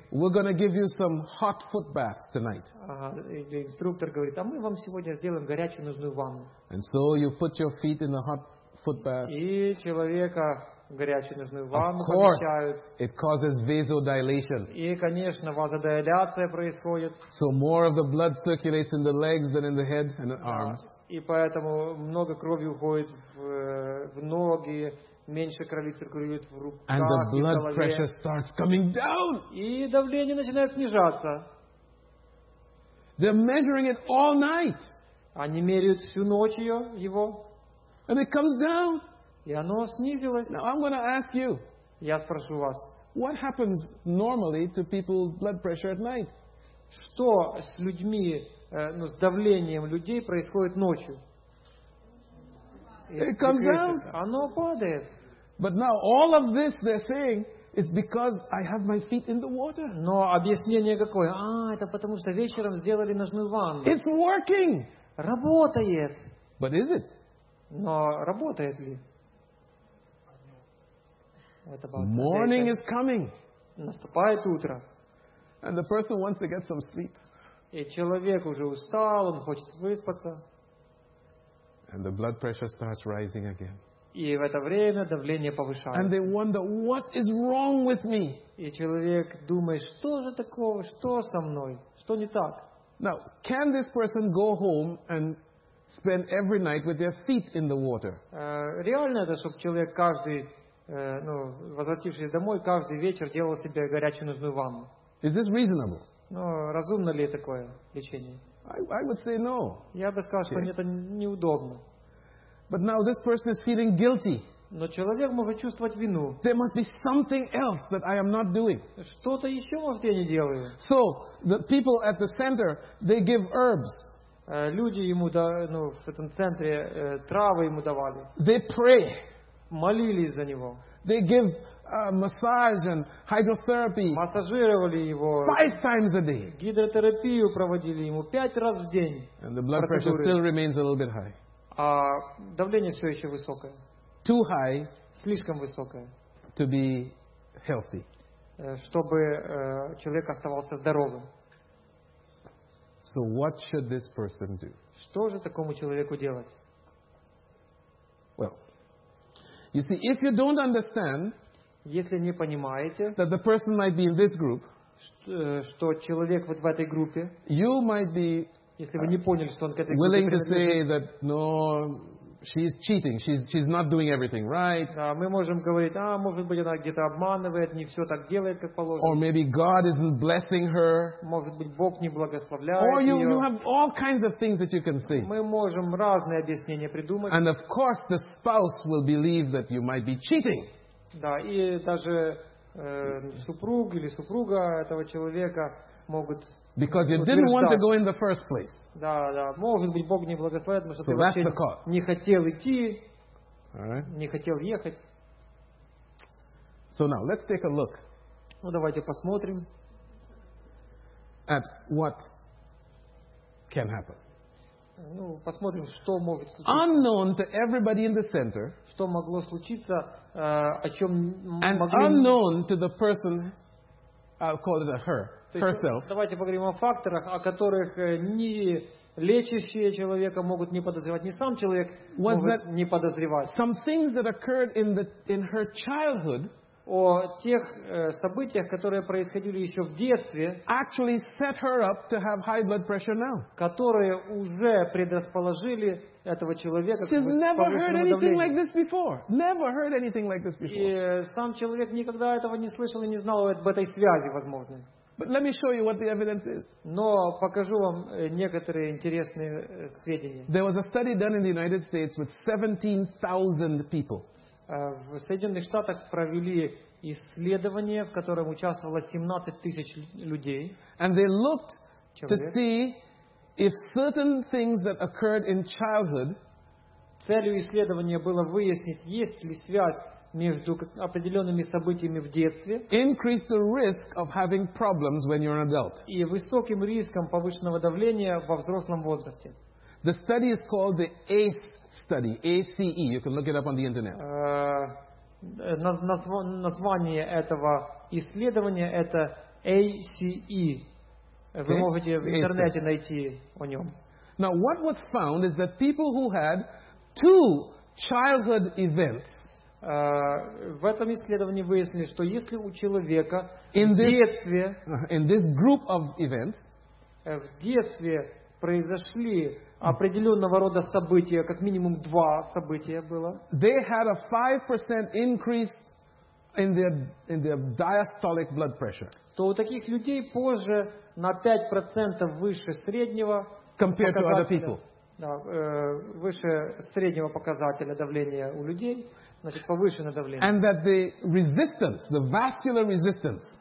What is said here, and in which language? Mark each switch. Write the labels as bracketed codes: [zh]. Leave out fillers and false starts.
[en] We're going to give you some hot foot baths tonight. [ru] Или инструктор говорит, а мы вам сегодня сделаем горячую нужную ванну. [en] And so you put your feet in the hot foot bath. [ru] И человека горячую нужную ванну помещают. [en] It causes vasodilation. [ru] И конечно вазодиляция происходит. [en] So more of the blood circulates in the legs than in the head and the arms. [ru] И поэтому много крови уходит в ноги. Меньше крови циркулирует в руках, [en] and the blood pressure starts coming down. [ru] И давление начинает снижаться. [en] They're measuring it all night. [ru] Они меряют всю ночь ее, его. [en] And it comes down. [ru] И оно снизилось. [en] Now I'm going to ask you. [ru] Я спрошу вас. [en] What happens normally to people's blood pressure at night? [ru] Что с людьми, ну, с давлением людей происходит ночью? [en] It comes down. [ru] Оно падает. [en] But now all of this they're saying it's because I have my feet in the water. [ru] Но объяснение какое? А, это потому что вечером сделали ножную ванну. [en] It's working. [ru] Работает. [en] But is it? [ru] Но работает ли? [en] Morning is coming. [ru] Наступает утро. [en] And the person wants to get some sleep. [ru] И человек уже устал, он хочет выспаться. [en] And the blood pressure starts rising again. [ru] И в это время давление повышается. [en] And they wonder, what is wrong with me? [ru] И человек думает, что же такого, что со мной, что не так? [en] Now, can this person go home and spend every night with their feet in the water? [ru] Реально это, чтобы человек каждый, ну, возвратившись домой, каждый вечер делал себе горячую нужную ванну? [en] Is this reasonable? [ru] Ну, разумно ли такое лечение? [en] I would say no. [ru] Я бы сказал, что мне это неудобно. [en] But now this person is feeling guilty. [ru] Но человек может чувствовать вину. [en] There must be something else that I am not doing. [ru] Что-то еще, может, я не делаю. [en] So the people at the center, they give herbs. [ru] Люди ему, ну, в этом центре травы ему давали. [en] They pray. [ru] Молились за него. [en] They give massage and hydrotherapy. [ru] Массажировали его. [en] 5 times a day. [ru] Гидротерапию проводили ему 5 раз в день. [en] And the blood pressure still remains a little bit high. [ru] А давление все еще высокое. [en] Too high. [ru] Слишком высокое. [en] To be healthy. [ru] Чтобы человек оставался здоровым. [en] So what should this person do? [ru] Что же такому человеку делать? [en] Well, you see, if you don't understand. [ru] Если не понимаете, [en] that the person might be in this group, [ru] что человек вот в этой группе, [en] you might be, [ru] если вы не поняли, что он к этой группе, [en] willing to say that no, she's cheating, she's not doing everything right. [ru] Да, мы можем говорить, а может быть она где-то обманывает, не все так делает, как положено. [en] Or maybe God isn't blessing her. [ru] Может быть Бог не благословляет ее. [en] Or you have all kinds of things that you can say. [ru] Мы можем разные объяснения придумать. [en] And of course the spouse will believe that you might be cheating. [ru] Да, и даже супруг или супруга этого человека могут. [en] Because you didn't want to go in the first place. [ru] Да, да, может быть Бог не благословит, потому что ты вообще не хотел идти, не хотел ехать. [en] So now let's take a look. [ru] Ну давайте посмотрим. [en] At what can happen. [ru] Ну посмотрим, что может случиться. [en] Unknown to everybody in the center. [ru] Что могло случиться? [en] And unknown to the person, I'll call it a her, herself. [ru] Давайте поговорим о факторах, о которых ни лечащие человека могут не подозревать, ни сам человек может не подозревать. [en] Some things that occurred in her childhood. [ru] О тех событиях, которые происходили еще в детстве, [en] actually set her up to have high blood pressure now. [ru] Которые уже предрасположили этого человека к повышенному [en] She's never heard anything like this before. Never heard anything like this before. [ru] И сам человек никогда этого не слышал и не знал об этой связи, возможно. [en] But let me show you what the evidence is. [ru] Но покажу вам некоторые интересные сведения. [en] There was a study done in the United States with 17,000 people. [ru] В Соединенных Штатах провели исследование, в котором участвовало 17 тысяч людей. [en] And they looked to see if certain things that occurred in childhood. [ru] Целью исследования было выяснить, есть ли связь между определенными событиями в детстве. [en] Increase the risk of having problems when you're an adult. [ru] И высоким риском повышенного давления во взрослом возрасте. [en] The study is called the ACE study, A-C-E. You can look it up on the internet. [ru] Название этого исследования это ACE. Вы можете в интернете найти о нем. [en] Now, what was found is that people who had two childhood events. [ru] В этом исследовании выяснили, что если у человека в детстве [en] in this group of events, [ru] в детстве произошли определенного рода события, как минимум два события было, [en] they had a 5% increase in their diastolic blood pressure. [ru] То у таких людей позже на 5% выше среднего [en] compared to other people. [ru] Да, выше среднего показателя давления у людей, значит, повышенное давление. [en] And that the resistance, the vascular resistance,